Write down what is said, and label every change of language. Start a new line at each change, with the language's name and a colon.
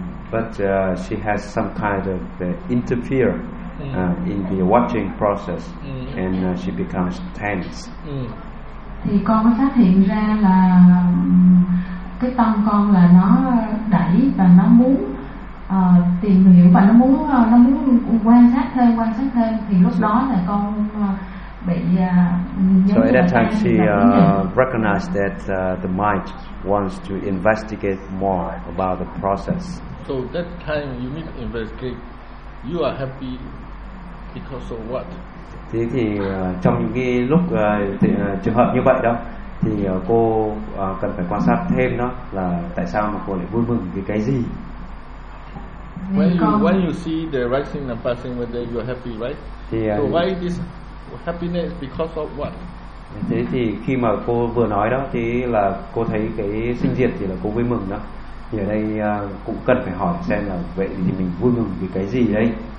English: But she has some kind of interfere in the watching process, and she becomes tense.
Vietnamese: Thì con mới phát hiện ra là cái tâm con là nó đẩy và nó muốn tìm hiểu và nó muốn quan sát thêm thì lúc đó là con bị
English: so at that time she recognized that the mind wants to investigate more about the process. So that time you need to investigate. You are happy because of what?
Vietnamese: Thế thì trong những cái lúc trường hợp như vậy đó thì cô cần phải quan sát thêm đó là tại sao mà cô lại vui mừng vì cái gì?
English: When you see the rising and passing whether you are happy, right?
Vietnamese: Thì,
English: so why this happiness because of what?
Vietnamese: Thế thì khi mà cô vừa nói đó thì là cô thấy cái sinh diệt thì là cô vui mừng đó. Thì ở đây cũng cần phải hỏi xem là vậy thì mình vui mừng vì cái gì đây?